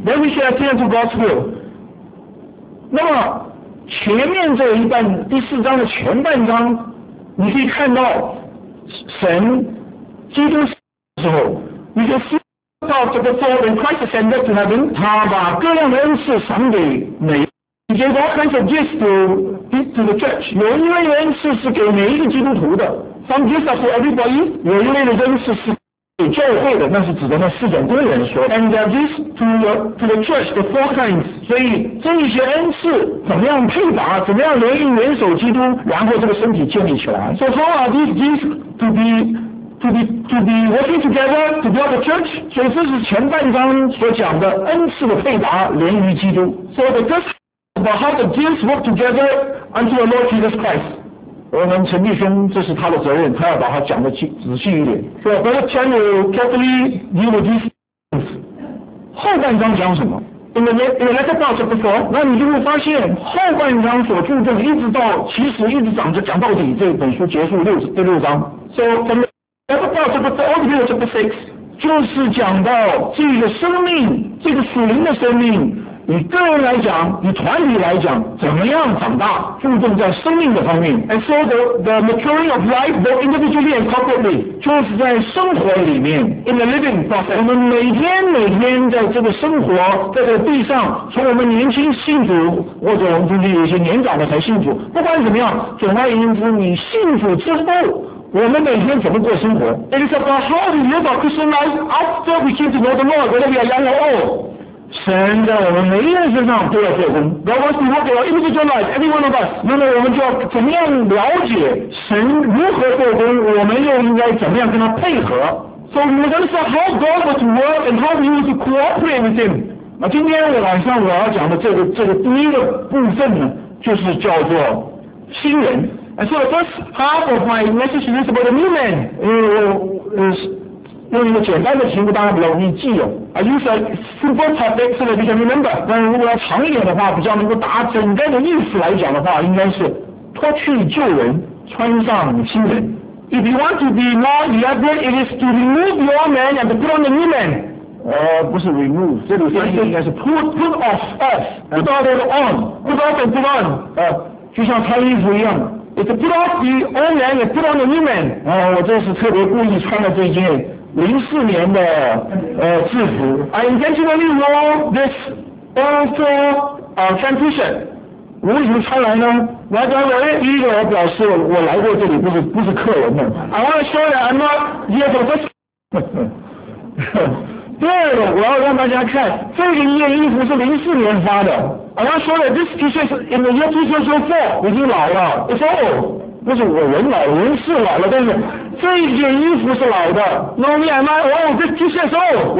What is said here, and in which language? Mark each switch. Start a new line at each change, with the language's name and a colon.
English: Then we shall attend to God's will。
Chinese: 那么前面这一半，第四章的前半章，你可以看到神基督的时候，你可以看到这个
English: Lord and Christ ascended to heaven，
Chinese: 他把各样的恩赐赏给每一个
English: He gave all kinds of gifts to the church。
Chinese: 有一类恩赐是给每一个基督徒的，
English: Some gifts are for everybody。
Chinese: 有一类的恩赐是给教会的，那是指的那四种工人说的。
English: And there are gifts to the church, the four kinds.
Chinese: 所以这一些恩赐怎么样配搭，怎么样联姻联手基督，然后这个身体建立起来。
English: So how are these gifts to be working together to build the church?
Chinese: 所以这是前半章所讲的恩赐的配搭联于基督。
English: So the gifts about how the gifts work together unto the Lord Jesus Christ.
Chinese: 我们陈弟兄，这是他的责任，他要把他讲的仔细一点。
English: So, Brother Chan will carefully deal with these things.
Chinese: 后半章讲什么？那你就会发现后半章所注重一直到其实一直讲着讲到底，这本书结束第六章。
English: So from the chapter 4 to the chapter 6
Chinese: 就是讲到这个生命，这个属灵的生命，你个人来讲，你团体来讲，怎么样长大，注重在生命的方面。
English: And so the maturing of life, both individually and corporately,
Chinese: 就是在生活里面
English: ，in the living process。
Chinese: 我们每天每天在这个生活，在这个地上，从我们年轻信主，或者我们中间有些年长的才信主，不管怎么样，总而言之，你信主之后。我们每天怎么过生活
English: ？It is about how we live our Christian life after we came to know the Lord, whether we are young or old.
Chinese: 神在我们每一个人身上都要做工。
English: God wants to work in our individual life, every one of us.
Chinese: 那么我们就要怎么样了解神如何做工？我们又应该怎么样跟他配合
English: ？So we must understand how God wants to work and how we need to cooperate with Him.
Chinese: 那今天晚上我要讲的这个第一个部分呢，就是叫做新人。
English: And so the first half of my message is about a new man.
Chinese: 用一个简单的题目，大家比较容易记哦。
English: I use a simple topic so that we can remember.
Chinese: 但如果要长一点的话，比较能够打整个的意思来讲的话，应该是脱去旧人，穿上新人。
English: If you want to be more elaborate, it is to remove your man and put on the new man.
Chinese: 不是 remove， 这里翻译应该是
English: put off us, put off and on, put off and put on。
Chinese: 就像穿衣服一样。
English: It's put off the old man, and put on the new man.
Chinese: 我这是特别故意穿了这件04年的制服。
English: I intentionally wore this old fan T-shirt.
Chinese: 我为什么穿来呢
English: ？Why do I wear it?
Chinese: 第一个，我表示我来过这里，不是客人的。
English: I want to show that I'm not here for the first.
Chinese: 第二个，我要让大家看这个件衣服是04年发的。
English: I want to show that this T-shirt is in the year 2004.
Chinese: 已经老了。
English: It's old.
Chinese: 不是我人老了，人是老了，但是这一件衣服是老的。
English: Normally, I'm like, oh, this T-shirt is old.